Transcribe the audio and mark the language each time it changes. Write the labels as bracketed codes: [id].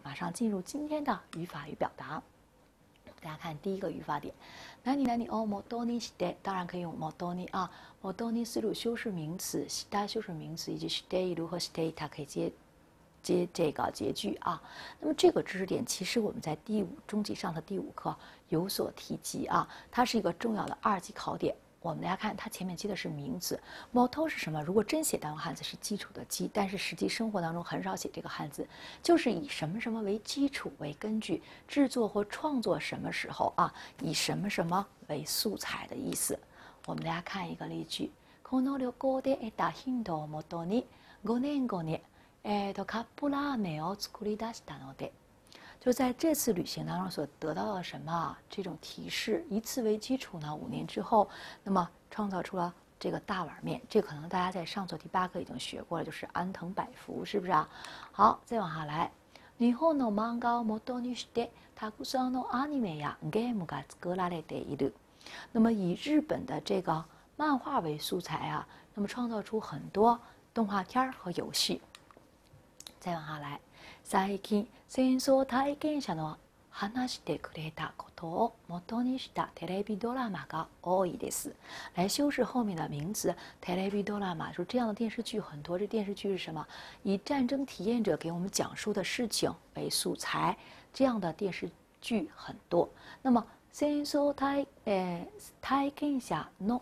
[zh] 上进入今天的语法与表达。大家看第一个语法点，なになにをもとにして，当然可以用もとに啊，もとにする修饰名词，した修饰名词以及している和していた可以接这个结句啊。那么这个知识点其实我们在第五中级上的第五课有所提及啊，它是一个重要的二级考点。我们来看，它前面接的是名词，もと是什么？如果真写单用汉字是基础的基，但是实际生活当中很少写这个汉字，就是以什么什么为基础为根据，制作或创作什么时候啊，以什么什么为素材的意思。我们来看一个例句， [ja] この旅行で得たヒントをもとに、5年後にカップラーメンを作り出したので。 [zh] 就在这次旅行当中所得到的什么、啊、这种提示，以此为基础呢，五年之后，那么创造出了这个大碗面。这可能大家在上座第八课已经学过了，就是安藤百福，是不是啊？好，再往下来， [ja] 日本の漫画をもとにしてたくさんのアニメやゲームが作られている。 [zh] 那么以日本的这个漫画为素材啊，那么创造出很多动画片和游戏。再往下来。 [ja] 最近戦争体験者の話してくれたことを元にしたテレビドラマが多いです。 [zh] 来修饰后面的名词テレビドラマ，说这样的电视剧很多。这电视剧是什么？以战争体验者给我们讲述的事情为素材，这样的电视剧很多。那么 [ja] 戦争体験者の